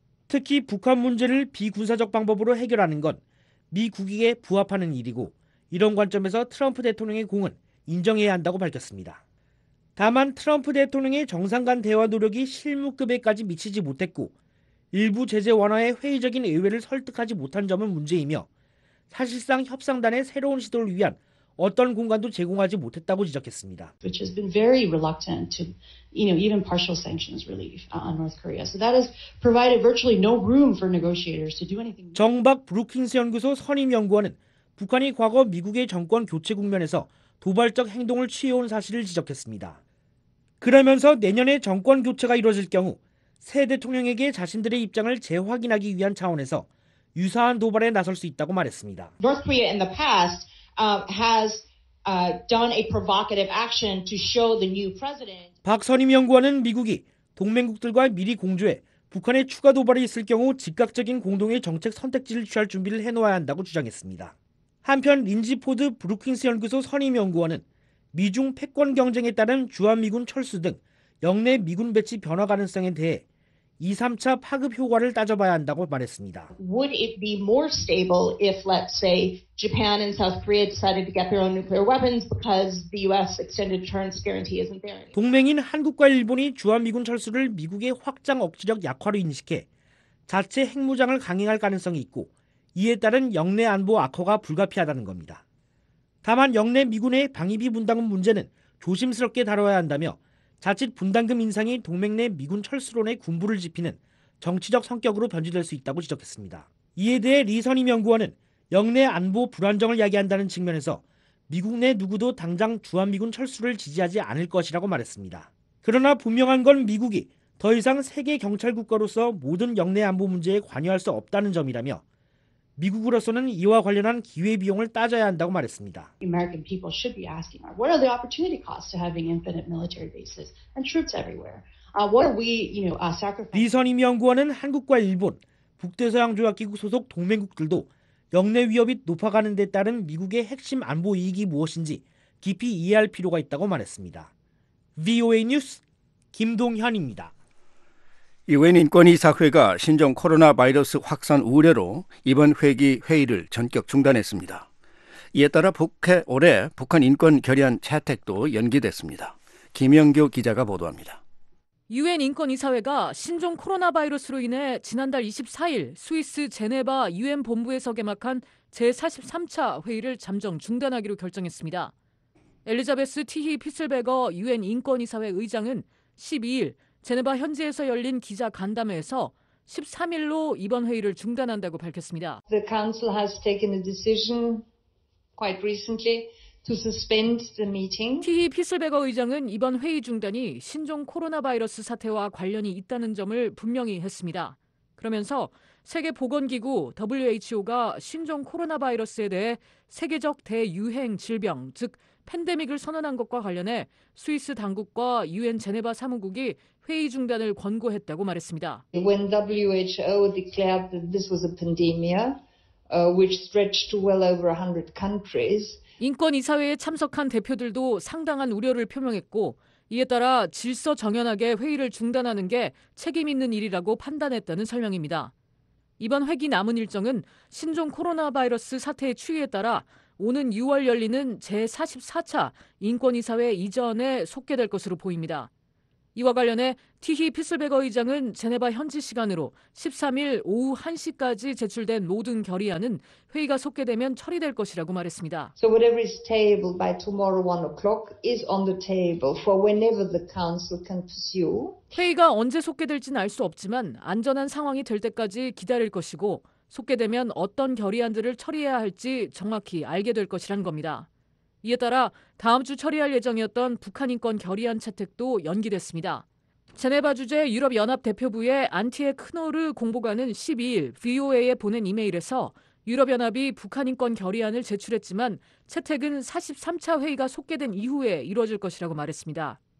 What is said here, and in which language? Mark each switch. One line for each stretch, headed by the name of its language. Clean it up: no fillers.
Korean: 특히 북한 문제를 비군사적 방법으로 해결하는 건 미 국익에 부합하는 일이고 이런 관점에서 트럼프 대통령의 공은 인정해야 한다고 밝혔습니다. 다만 트럼프 대통령의 정상 간 대화 노력이 실무급에까지 미치지 못했고 일부 제재 완화에 회의적인 의회를 설득하지 못한 점은 문제이며 사실상 협상단의 새로운 시도를 위한 어떤 공간도 제공하지 못했다고 지적했습니다.
English: Which has been very reluctant to, you know, even partial sanctions relief on North Korea. So that has provided virtually no room for negotiators to do anything.
Korean: 정박 브루킹스 연구소 선임 연구원은 북한이 과거 미국의 정권 교체 국면에서 도발적 행동을 취해온 사실을 지적했습니다. 그러면서 내년에 정권 교체가 이루어질 경우 새 대통령에게 자신들의 입장을 재확인하기 위한 차원에서 유사한 도발에 나설 수 있다고 말했습니다.
English: North Korea in the past has done a provocative action to show the new president.
Korean: 박 선임 연구원은 미국이 동맹국들과 미리 공조해 북한의 추가 도발이 있을 경우 즉각적인 공동의 정책 선택지를 취할 준비를 해놓아야 한다고 주장했습니다. 한편 린지 포드 브루킹스 연구소 선임 연구원은 미중 패권 경쟁에 따른 주한미군 철수 등 역내 미군 배치 변화 가능성에 대해 2, 3차 파급 효과를 따져봐야 한다고 말했습니다.
English: Would it be more stable if, let's say, Japan and South Korea decided to get their own nuclear weapons because the U.S. extended deterrence guarantee isn't there?
Korean: 동맹인 한국과 일본이 주한미군 철수를 미국의 확장 억지력 약화로 인식해 자체 핵무장을 강행할 가능성이 있고 이에 따른 영내 안보 악화가 불가피하다는 겁니다. 다만 영내 미군의 방위비 분담금 문제는 조심스럽게 다뤄야 한다며 자칫 분담금 인상이 동맹 내 미군 철수론의 군부를 지피는 정치적 성격으로 변질될 수 있다고 지적했습니다. 이에 대해 리 선임 연구원은 영내 안보 불안정을 야기한다는 측면에서 미국 내 누구도 당장 주한미군 철수를 지지하지 않을 것이라고 말했습니다. 그러나 분명한 건 미국이 더 이상 세계 경찰 국가로서 모든 영내 안보 문제에 관여할 수 없다는 점이라며 미국으로서는 이와 관련한 기회 비용을 따져야 한다고 말했습니다.
English: American people should be asking, what are the opportunity costs to having infinite military bases and troops everywhere? What are we, you know, sacrificing?
Korean: 리 선임 연구원은 한국과 일본, 북대서양 조약기구 소속 동맹국들도 역내 위협이 높아가는 데 따른 미국의 핵심 안보 이익이 무엇인지 깊이 이해할 필요가 있다고 말했습니다. VOA 뉴스 김동현입니다. 유엔 인권이사회가 신종 코로나 바이러스 확산 우려로 이번 회기 회의를 전격 중단했습니다. 이에 따라 북해 올해 북한 인권 결의안 채택도 연기됐습니다. 김영교 기자가 보도합니다. 유엔 인권이사회가 신종 코로나 바이러스로 인해 지난달 24일 스위스 제네바 유엔 본부에서 개막한 제43차 회의를 잠정 중단하기로 결정했습니다. 엘리자베스 티히 피슬베거 유엔 인권이사회 의장은 12일 제네바 현지에서 열린 기자 간담회에서 13일로 이번 회의를 중단한다고 밝혔습니다.
English: The council has taken a decision quite recently to suspend the meeting.
Korean: 티히 피슬베거 의장은 이번 회의 중단이 신종 코로나 바이러스 사태와 관련이 있다는 점을 분명히 했습니다. 그러면서 세계보건기구 WHO가 신종 코로나 바이러스에 대해 세계적 대유행 질병, 즉 팬데믹을 선언한 것과 관련해 스위스 당국과 유엔 제네바 사무국이 회의 중단을 권고했다고 말했습니다.
English: When WHO declared that this was a pandemic, which stretched to well over 100 countries.
Korean: 인권이사회에 참석한 대표들도 상당한 우려를 표명했고 이에 따라 질서 정연하게 회의를 중단하는 게 책임 있는 일이라고 판단했다는 설명입니다. 이번 회기 남은 일정은 신종 코로나 바이러스 사태의 추이에 따라 오는 6월 열리는 제44차 인권이사회 이전에 속게 될 것으로 보입니다. 이와 관련해 티히 피슬베거 의장은 제네바 현지 시간으로 13일 오후 1시까지 제출된 모든 결의안은 회의가 속게 되면 처리될 것이라고 말했습니다.
English: So whatever is tabled by tomorrow 1 o'clock is on the table for whenever the council can pursue.
Korean: 회의가 언제 속게 될지는 알 수 없지만 안전한 상황이 될 때까지 기다릴 것이고 속게 되면 어떤 결의안들을 처리해야 할지 정확히 알게 될 것이란 겁니다. 이에 따라 다음 주 처리할 예정이었던 북한 인권 결의안 채택도 연기됐습니다. 제네바 주재 유럽연합대표부의 안티에 크노르 공보관은 12일 VOA에 보낸 이메일에서 유럽연합이 북한 인권 결의안을 제출했지만 채택은 43차 회의가 속게 된 이후에 이루어질 것이라고 말했습니다.